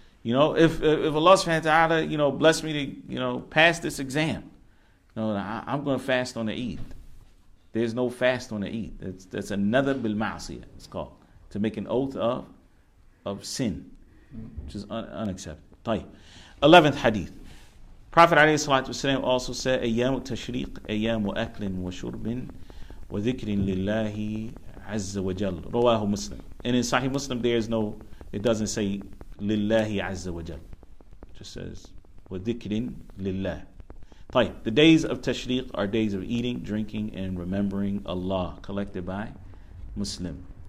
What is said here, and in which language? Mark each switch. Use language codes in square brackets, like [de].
[en] You know, if Allah subhanahu wa ta'ala, you know, bless me to, you know, pass this exam, you know, I'm going to fast on the Eid. There's no fast on the Eid. That's another bil ma'asiyah, it's called, to make an oath of sin, which is unacceptable. [ar] طيب. [en] 11th hadith. [ar] Prophet عليه الصلاة والسلام [en] also said, [ar] أيام التشريق أيام أكل وشرب وذكر لله عز وجل. رواه مسلم. [en] And in Sahih Muslim, there is no, it doesn't say [ar] لله عز وجل. [en] It just says [ar] وذكر لله. طيب. [en] The days of تشريق are days of eating, drinking, and remembering Allah, collected by Muslim.